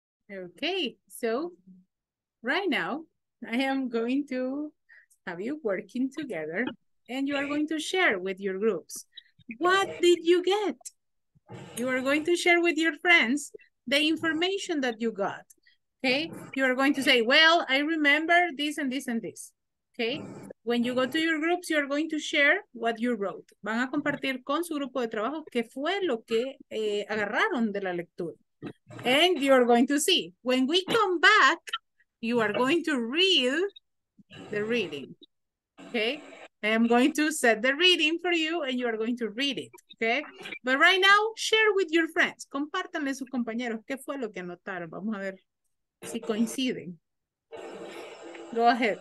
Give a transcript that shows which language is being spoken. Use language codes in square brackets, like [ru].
[en] Okay, so right now, I am going to have you working together and you are going to share with your groups. What did you get? You are going to share with your friends the information that you got. Okay? You are going to say, well, I remember this and this and this. Okay? When you go to your groups, you are going to share what you wrote. [es] Van a compartir con su grupo de trabajo qué fue lo que agarraron de la lectura. [en] And you are going to see. When we come back, you are going to read the reading. Okay? I am going to set the reading for you and you are going to read it, okay? But right now, share with your friends. [es] Compártanle sus compañeros. ¿Qué fue lo que anotaron? Vamos a ver si coinciden. [en] Go ahead.